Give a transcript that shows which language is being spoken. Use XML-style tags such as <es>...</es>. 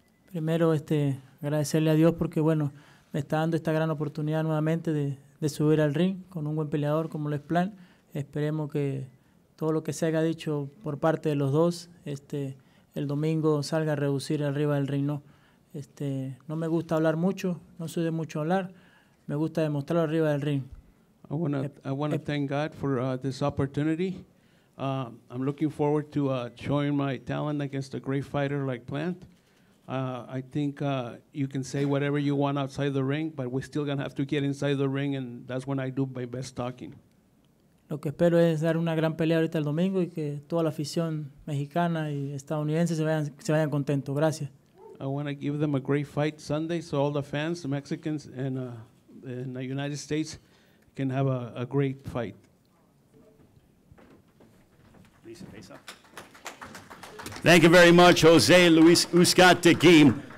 <es>Primero, agradecerle a Dios porque, bueno, me está dando esta gran oportunidad nuevamente de subir al ring con un buen peleador como lo es Plan. Esperemos que todo lo que se haya dicho por parte de los dos, el domingo salga a reducir arriba del ring, ¿no? No me gusta hablar mucho, no soy de mucho hablar, me gusta demostrarlo arriba del ring.</es> <en>I want to thank God for this opportunity. I'm looking forward to showing my talent against a great fighter like Plant. I think you can say whatever you want outside the ring, but we're still going to have to get inside the ring, and that's when I do my best talking.</en> <es>Lo que espero es dar una gran pelea ahorita el domingo y que toda la afición mexicana y estadounidense se vayan contentos. Gracias.</es> <en>I want to give them a great fight Sunday so all the fans, the Mexicans and the United States can have a great fight. Thank you very much, Jose Luis Uzcategui.</en>